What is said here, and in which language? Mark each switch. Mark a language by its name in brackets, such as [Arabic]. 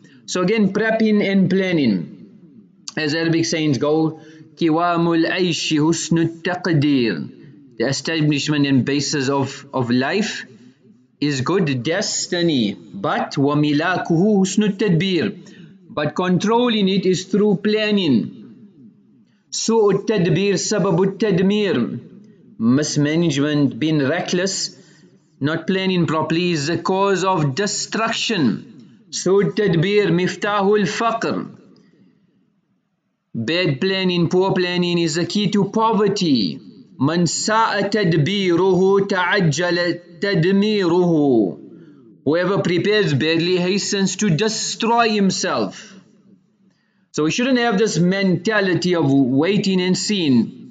[English] So again, prepping and planning. As Arabic sayings go, kiwamul aishi husnut taqdeer. The establishment and basis of life is good destiny, but وَمِلَاكُهُ حُسْنُ التَّدْبِيرُ. But controlling it is through planning. [Arabic] سُوءُ التَّدْبِيرُ سَبَبُ التَّدْمِيرُ. [English] Mismanagement, being reckless, not planning properly, is the cause of destruction. [Arabic] سُوءُ التَّدْبِيرُ مِفْتَاحُ الْفَقْرِ. [English] Bad planning, poor planning is the key to poverty. [Arabic] مَنْ سَاءَ تَدْبِيرُهُ تَعَجَّلَ تَدْمِيرُهُ. [English] Whoever prepares badly hastens to destroy himself. So we shouldn't have this mentality of waiting and seeing.